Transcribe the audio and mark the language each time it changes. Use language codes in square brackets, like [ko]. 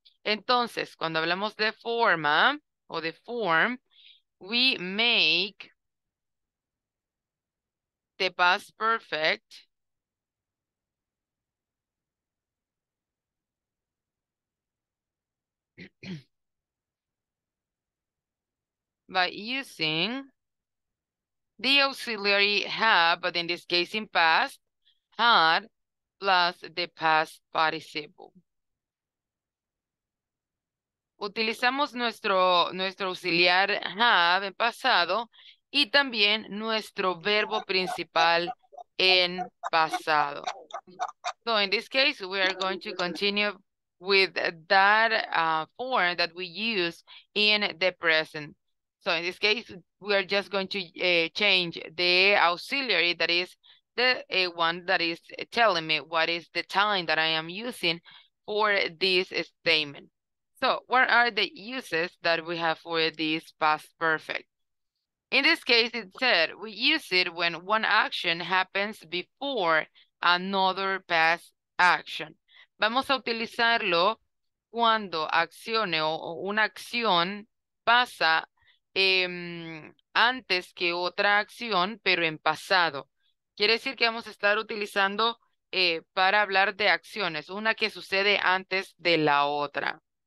[es] Entonces, cuando hablamos de forma o de [en] form, we make the past perfect by using the auxiliary have, but in this case in past, had plus the past participle. [es] Utilizamos nuestro auxiliar have en pasado y también nuestro verbo principal en pasado. [en] So in this case, we are going to continue with that form that we use in the present. So in this case, we are just going to change the auxiliary that is the one that is telling me what is the time that I am using for this statement. So what are the uses that we have for this past perfect? In this case, it said we use it when one action happens before another past action. [es] Vamos a utilizarlo cuando accione o una acción pasa antes que otra acción, pero en pasado. Quiere decir que vamos a estar utilizando para hablar de acciones, una que sucede antes de la otra.